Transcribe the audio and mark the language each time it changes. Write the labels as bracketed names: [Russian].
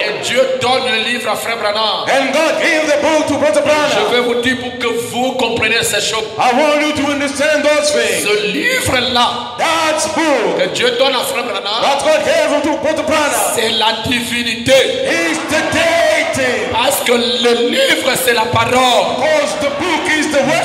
[French] Et Dieu donne le livre à frère Branham. [English] And God gave the book to brother Branham. [French] Je vais vous dire pour que vous compreniez ces choses. [English] I want you to understand those things. [French] Ce livre là. [English] That book. [French] Que Dieu donne à frère Branham. [English] That God gave to brother Branham. [French] C'est la divinité. [English] Is the deity. [French] Parce que le livre c'est la parole. [English] Because the book is the word.